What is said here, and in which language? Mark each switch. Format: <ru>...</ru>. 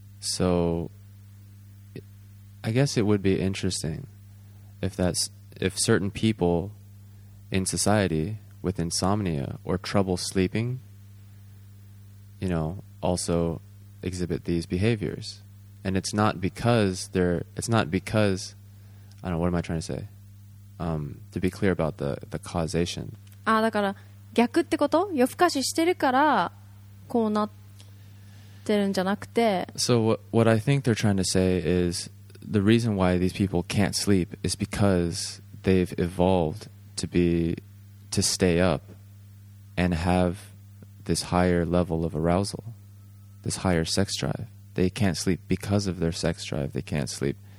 <en>So, I guess it would be interesting if certain people in society with insomnia or trouble sleeping, you know, also exhibit these behaviors. And it's not because I don't know, what am I trying to say? To be clear about the causation.</en> <ja>Ah, だから逆ってこと？夜更かししてるからこうなって</ja> <en>So what I think they're trying to say is the reason why these people can't sleep is because they've evolved to stay up and have this higher level of arousal, this higher sex drive. They can't sleep because of their sex drive. They can't sleep</en>